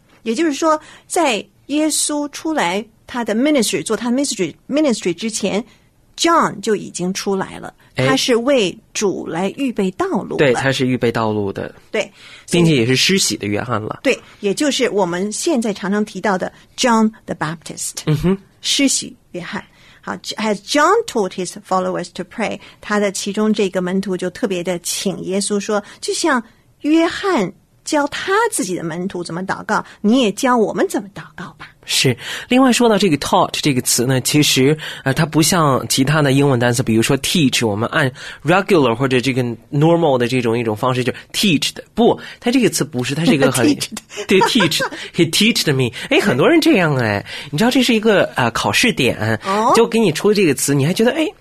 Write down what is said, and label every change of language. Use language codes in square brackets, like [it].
[zh] 也就是说在耶稣出来他的 ministry 做他 ministry 之前 John 就已经出来了、哎、他是为主来预备道路对他是预备道路的对并且也是施洗的约翰了对也就是我们现在常常提到的 John the Baptist、嗯、哼施洗约翰好 [en] ，Has John told his followers to pray? [zh] 他的其中这个门徒就特别的请耶稣说，就像约翰教他自己的门徒怎么祷告，你也教我们怎么祷告吧。是，另外说到这个 taught 这个词呢，其实它不像其他的英文单词，比如说 teach， 我们按 regular 或者这个 normal 的这种一种方式就 teach 的，不，它这个词不是，它是一个很对 teach， [en] he teached me， [zh] 哎，很多人这样哎，你知道这是一个考试点，就给你出这个词，你还觉得哎。